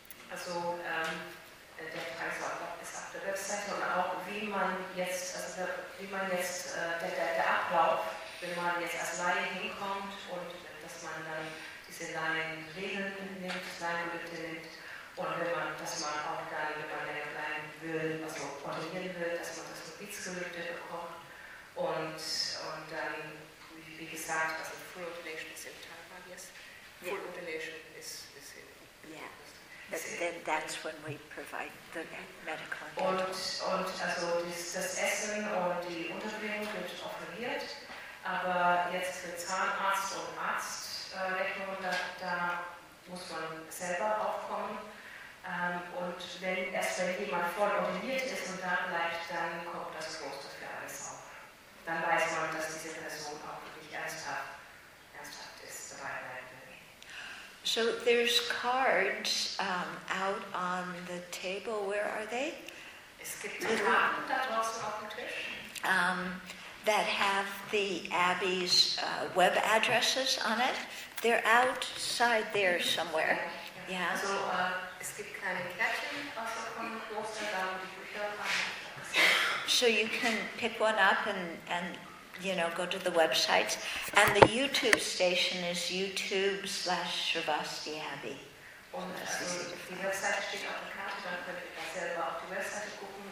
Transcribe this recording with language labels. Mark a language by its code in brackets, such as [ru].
[de] Also, der Preis ist auf der Website, und auch der Ablauf, wenn man jetzt als Laie hinkommt und dass man dann diese Laienregeln mitnimmt, Laienmittel nimmt. Und wenn man, dass man auch da länger bleiben will, also ordinieren will, dass man das Gebietsgelübde bekommt. Und dann, wie gesagt, also Full Ordination ist im Teil, [en] yes. [de] Full Ordination ist in. [en] Yeah. But then that's when we provide the medical. [de] Und also das Essen und die Unterbringung wird offeriert, aber jetzt für Zahnarzt und Arztrechnung, da muss man selber aufkommen. Und wenn jemand voll ordiniert ist und da bleibt, dann kommt das Kloster für alles auf. Dann weiß man, dass diese Person auch wirklich ernsthaft ist, dabei bleibt. [en] So there's cards out on the table. Where are they? [de] Es gibt Karten da draußen auf dem Tisch. [en] That have the Abbey's web addresses on it. They're outside there somewhere. Yeah. [de] So es gibt kleine Kärtchen aus dem Kloster, da wo die Bücher waren. [en] So you can pick one up and go to the websites. And the YouTube station is youtube.com/Srivasti Abbey. [de] Und die Website steht auf der Karte, dann könnt ihr selber auf die Website gucken.